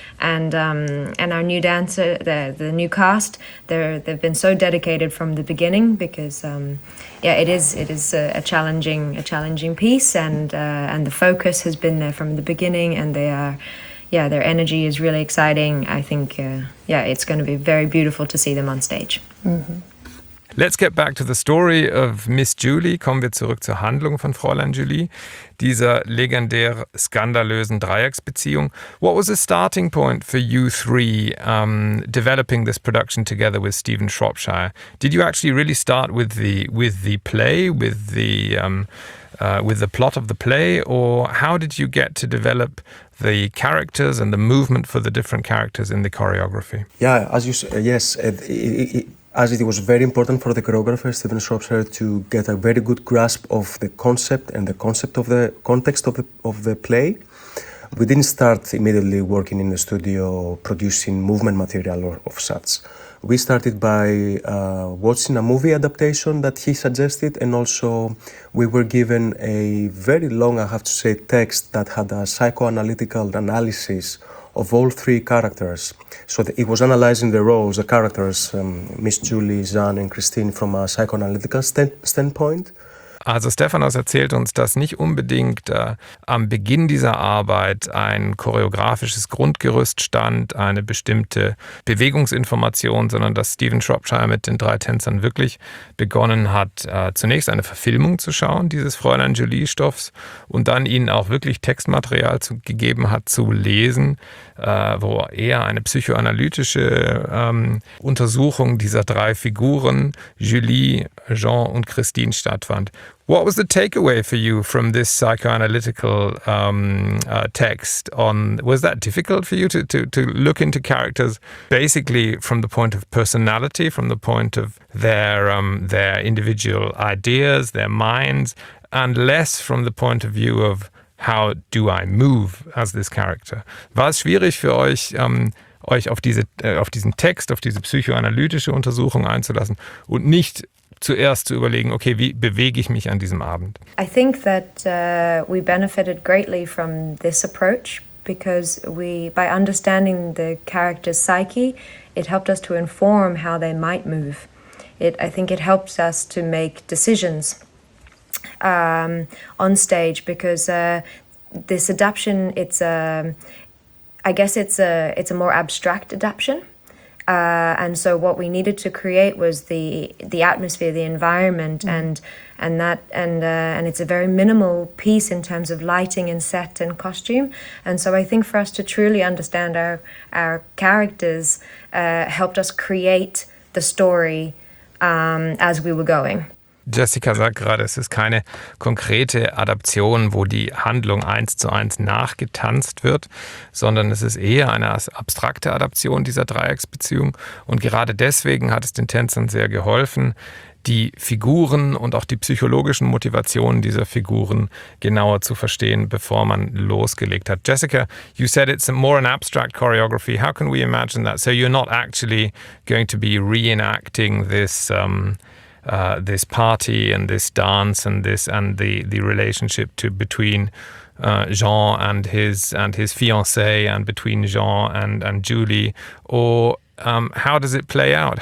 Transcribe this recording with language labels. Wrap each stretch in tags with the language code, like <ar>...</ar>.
<en>And our new dancer, the new cast, they've been so dedicated from the beginning because, it is a challenging piece, and the focus has been there from the beginning, and their energy is really exciting. I think, it's going to be very beautiful to see them on stage. Mm-hmm. Let's get back to the story of Miss Julie.</en> <de>Kommen wir zurück zur Handlung von Fräulein Julie, dieser legendär skandalösen Dreiecksbeziehung.</de> <en>What was the starting point for you three developing this production together with Stephen Shropshire? Did you actually really start with the play, with the plot of the play, or how did you get to develop the characters and the movement for the different characters in the choreography? Yeah, as you say, yes. As it was very important for the choreographer, Stephen Shropshire, to get a very good grasp of the concept and the concept of the context of the play. We didn't start immediately working in the studio producing movement material or of such. We started by watching a movie adaptation that he suggested, and also we were given a very long, I have to say, text that had a psychoanalytical analysis of all three characters. So it was analyzing the roles, the characters, Miss Julie, Jeanne, and Christine from a psychoanalytical standpoint.</en> <de>Also Stefanos erzählt uns, dass nicht unbedingt am Beginn dieser Arbeit ein choreografisches Grundgerüst stand, eine bestimmte Bewegungsinformation, sondern dass Stephen Shropshire mit den drei Tänzern wirklich begonnen hat, zunächst eine Verfilmung zu schauen, dieses Fräulein Julie-Stoffs, und dann ihnen auch wirklich Textmaterial gegeben hat zu lesen, wo er eine psychoanalytische Untersuchung dieser drei Figuren, Julie, Jean und Christine, stattfand.</de> <en>What was the takeaway for you from this psychoanalytical text? Was that difficult for you to look into characters basically from the point of personality, from the point of their individual ideas, their minds, and less from the point of view of how do I move as this character?</en> <de>War es schwierig für euch, euch auf diesen Text, auf diese psychoanalytische Untersuchung einzulassen und nicht zuerst zu überlegen, okay, wie bewege ich mich an diesem Abend?</de> <en>I think that we benefited greatly from this approach, because we, by understanding the character's psyche, it helped us to inform how they might move. I think it helps us to make decisions on stage, because this adaption, it's a more abstract adaption. And so what we needed to create was the atmosphere, the environment, mm-hmm. and it's a very minimal piece in terms of lighting and set and costume. And so I think for us to truly understand our characters helped us create the story as we were going.</en> <de>Jessica sagt gerade, es ist keine konkrete Adaption, wo die Handlung eins zu eins nachgetanzt wird, sondern es ist eher eine abstrakte Adaption dieser Dreiecksbeziehung. Und gerade deswegen hat es den Tänzern sehr geholfen, die Figuren und auch die psychologischen Motivationen dieser Figuren genauer zu verstehen, bevor man losgelegt hat.</de> <en>Jessica, you said it's more an abstract choreography. How can we imagine that? So you're not actually going to be reenacting this... this party and this dance and this and the relationship between Jean and his fiancée, and between Jean and Julie, or how does it play out?</en>